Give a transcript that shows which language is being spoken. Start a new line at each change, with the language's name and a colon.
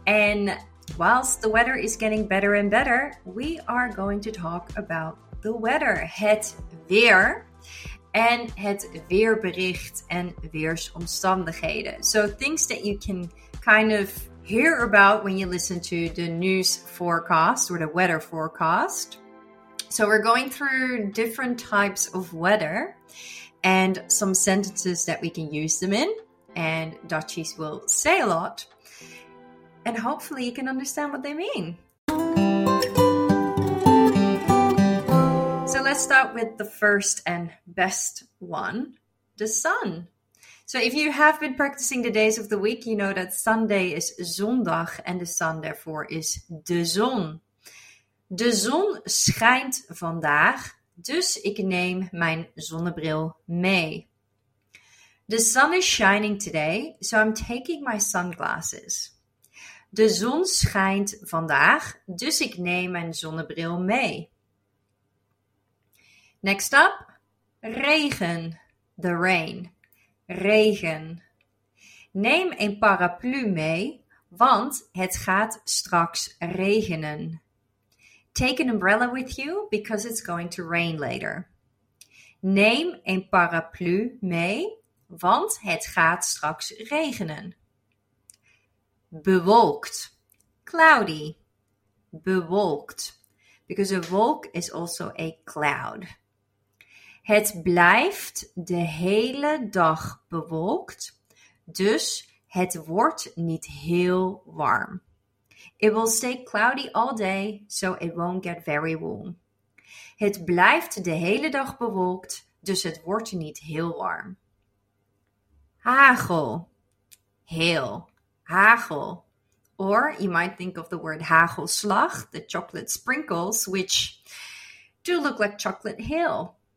English: And whilst the weather is getting better and better, we are going to talk about the weather.
Dutch: Het weer en het weerbericht en weersomstandigheden.
English: So things that you can kind of hear about when you listen to the news forecast or the weather forecast. So we're going through different types of weather and some sentences that we can use them in. And Dutchies will say a lot. And hopefully you can understand what they mean. So let's start with the first and best one, the sun. So if you have been practicing the days of the week, you know that Sunday is zondag and the sun therefore is de zon.
Dutch: De zon schijnt vandaag, dus ik neem mijn zonnebril mee.
English: The sun is shining today, so I'm taking my sunglasses.
Dutch: De zon schijnt vandaag, dus ik neem mijn zonnebril mee.
English: Next up, regen, the rain, regen.
Dutch: Neem een paraplu mee, want het gaat straks regenen.
English: Take an umbrella with you, because it's going to rain later.
Dutch: Neem een paraplu mee, want het gaat straks regenen.
English: Bewolkt, cloudy, bewolkt, because a wolk is also a cloud.
Dutch: Het blijft de hele dag bewolkt, dus het wordt niet heel warm.
English: It will stay cloudy all day, so it won't get very warm.
Dutch: Het blijft de hele dag bewolkt, dus het wordt niet heel warm. Hagel, hail, hagel.
English: Or you might think of the word hagelslag, the chocolate sprinkles, which do look like chocolate hail.